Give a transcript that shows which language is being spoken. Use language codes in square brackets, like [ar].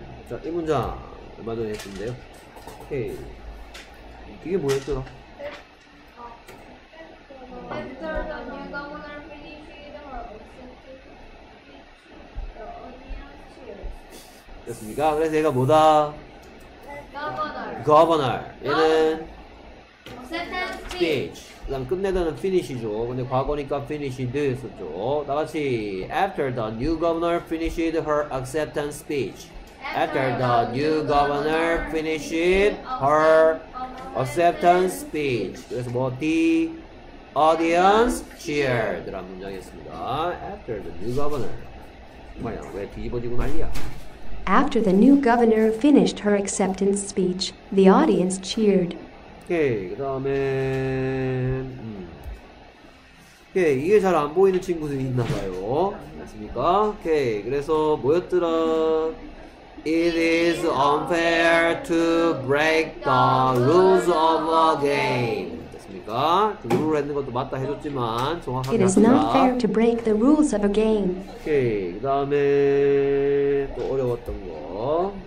[ko] 자 이 문장 얼마 전에 했는데요. 오케이. 이게 뭐였더라? [en] After the new governor finished her speech, the audience cheered. [ko] 됐습니까? 그래서 얘가 뭐다? [en] Governor. [ko] 얘는 [en] speech. [ko] 그 다음 끝내다는 finish죠. 근데 과거니까 finished 했었죠. 다 같이 [en] After the new governor finished her acceptance speech. After the new governor finished her acceptance speech. [ko] 그래서 뭐, [en] the audience cheered. [ko] 라는 문장이었습니다. [en] After the new governor. [ko] 뭐야, 왜 뒤집어지고 난리야? [en] After the new governor finished her acceptance speech, the audience cheered. [ko] 오케이, 그 다음에. 오케이, 이게 잘 안 보이는 친구들이 있나 봐요. 맞습니까? 오케이, 그래서 뭐였더라? [en] It is unfair to break the rules of a game. [ko] 됐습니까? 룰을 했는 것도 맞다 해줬지만 정확하게 [en] It is not fair to break the rules of a game. [ko] 오케이. 그 다음에 또 어려웠던 거.